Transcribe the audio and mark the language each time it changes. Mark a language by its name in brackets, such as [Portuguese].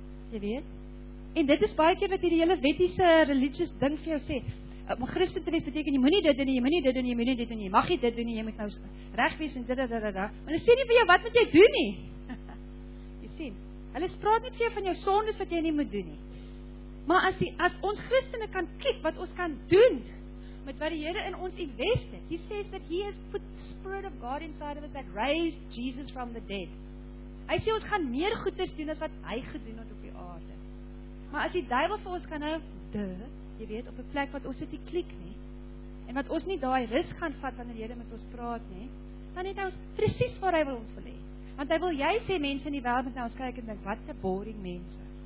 [Afrikaans] Jy weet? En dit is baie keer wat die hele wettiese religious ding vir jou sê. maar Christen te wees beteken, jy moet nie dit doen nie, jy moet nie dit doen nie, jy moet nie dit doen nie, jy mag nie dit doen nie, jy moet nou reg wees en dit, en hy sê nie vir jou, wat moet jy doen nie? Jy sien, hulle praat nie vir jou van jou sondes wat jy nie moet doen nie. Maar as ons Christene kan kyk wat ons kan doen, met wat die Here in ons investeer, [English] he says that he has put the spirit of God inside of us that raised Jesus from the dead. [Afrikaans] Hy sê ons gaan meer goeders doen as wat hy gedoen het op die aarde. Maar as die duivel vir ons kan nou, jy weet, op 'n plek wat ons dit nie klik nie, en wat ons nie daai rus gaan vat wanneer die Here met ons praat nie, dan het hy ons presies waar hy wil ons wil hê. Want hy wil jy sê mense in die wêreld moet nou ons kyk en dink, wat 'n boring mense.